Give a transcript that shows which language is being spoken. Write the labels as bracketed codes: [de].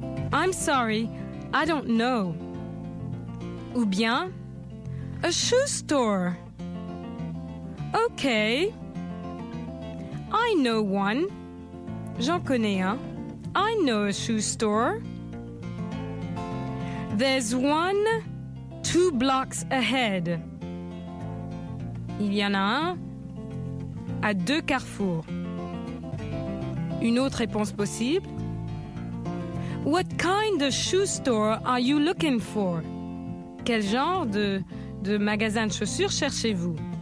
[en] I'm sorry, I don't know. [fr] Ou bien, [en] a shoe store. Okay. I know one. [fr] J'en connais un. [en] I know a shoe store. There's one two blocks ahead. [fr] Il y en a un à deux carrefours. Une autre réponse possible. [en] What kind of shoe store are you looking for? [fr] Quel genre de magasin de chaussures cherchez-vous?